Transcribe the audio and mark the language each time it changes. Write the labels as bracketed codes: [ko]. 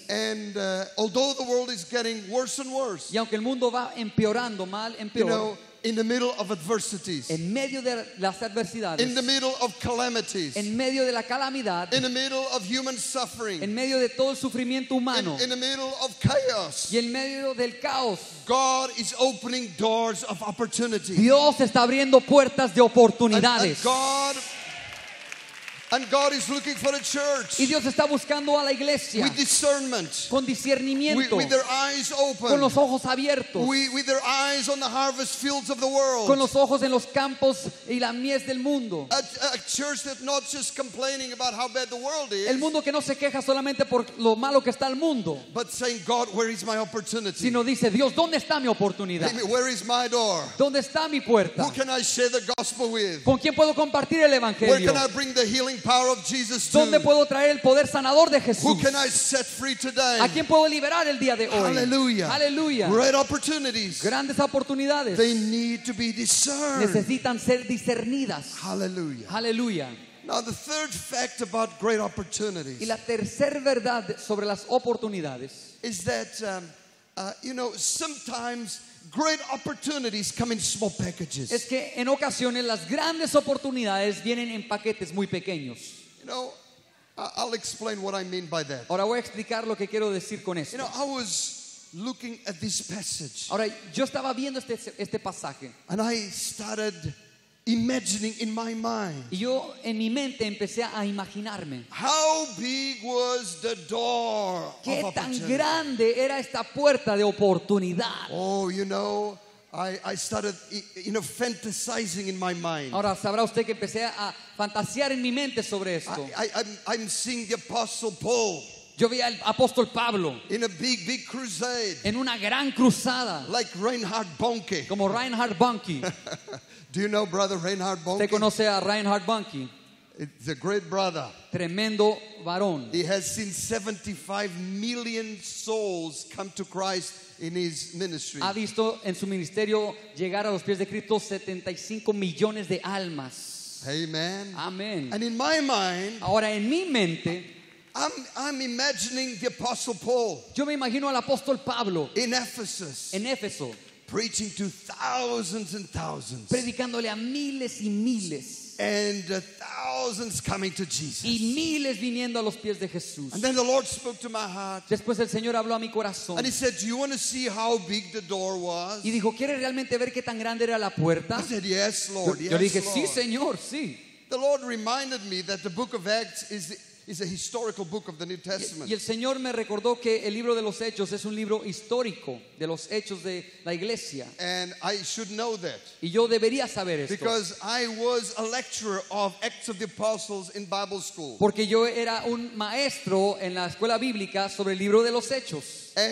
[en] And although the world is getting worse and worse, [es] y aunque el mundo va empeorando mal en peor, [en] you know, in the middle of adversities, [es] en medio de las adversidades, [en] in the middle of calamities, [es] en medio de la calamidad, [en] in the middle of human suffering, [es] en medio de todo el sufrimiento humano, [en] in the middle of chaos, [es] y en medio del caos, [en] God is opening doors of opportunity. [es] Dios está abriendo puertas de oportunidades. [en] And God, And God is looking for a church. [es] Y Dios está buscando a la iglesia. [en] With discernment. [es] Con discernimiento. [en] With their eyes open. [es] Con los ojos abiertos. [en] With their eyes on the harvest fields of the world. [es] Con los ojos en los campos y la mies del mundo. [en] A church that's not just complaining about how bad the world is. [es] El mundo que no se queja solamente por lo malo que está el mundo. [en] But saying, God, where is my opportunity? [es] Sino dice, Dios, ¿dónde está mi oportunidad? [en] Where is my door? [es] ¿Dónde está mi puerta? [en] Who can I share the gospel with? [es] ¿Con quién puedo compartir el evangelio? [en] Where can I bring the healing power of Jesus to? [es] ¿Dónde puedo traer el poder sanador de Jesús? [en] Who can I set free today? [es] ¿A quién puedo liberar el día de hoy? [en] Hallelujah. Hallelujah. Great opportunities. [es] Grandes oportunidades. [en] They need to be discerned. [es] Necesitan ser discernidas. [en] Hallelujah. Hallelujah. Now the third fact about great opportunities. [es] Y la tercera verdad sobre las oportunidades [en] is that sometimes great opportunities come in small packages. [es] Es que en ocasiones las grandes oportunidades vienen en paquetes muy pequeños. [en] You know, I'll explain what I mean by that. [es] Ahora voy a explicar lo que quiero decir con esto. [en] You know, I was looking at this passage. [es] Ahora yo estaba viendo este pasaje. [en] And I started imagining in my mind. [es] Yo en mi mente empecé a imaginarme. [en] How big was the door of opportunity? [es] ¿Qué tan grande era esta puerta de oportunidad? [en] Oh, you know, I started, you know, fantasizing in my mind. [es] Ahora sabrá usted que empecé a fantasear en mi mente sobre esto. [en] I'm seeing the Apostle Paul. [es] Yo vi al apóstol Pablo [en] in a big crusade. [es] En una gran cruzada. [en] Like Reinhard Bonnke. [es] Como Reinhard Bonnke. [en] Do you know brother Reinhard Bonnke? [es] ¿Te conoce a Reinhard Bonnke? [en] It's a great brother. [es] Tremendo varón. [en] He has seen 75 million souls come to Christ in his ministry. [es] Ha visto en su ministerio llegar a los pies de Cristo 75 millones de almas. [en] Amen. Amen. And in my mind, [es] ahora en mi mente, [en] I'm imagining the Apostle Paul. [es] Yo me imagino al apóstol Pablo. [en] In Ephesus. [es] En Éfeso. [en] Preaching to thousands and thousands. [es] Predicándole a miles y miles. [en] And thousands coming to Jesus. [es] Y miles viniendo a los pies de Jesús. [en] And then the Lord spoke to my heart. [es] Después el Señor habló a mi corazón. [en] And he said, "Do you want to see how big the door was?" [es] Y dijo, "¿Quieres realmente ver qué tan grande era la puerta?" [en] I said, "Yes, Lord, yes." [es] Yo dije, [en] Lord. [es] "Sí, Señor, sí." [en] The Lord reminded me that the book of Acts is a historical book of the New Testament. [es] Y el Señor me recordó que el libro de los Hechos es un libro histórico de los hechos de la iglesia. [en] And I should know that. [es] Y yo debería saber esto. [en] Because I was a lecturer of Acts of the Apostles in Bible school. [es] Porque yo era un maestro en la escuela bíblica sobre el libro de los Hechos.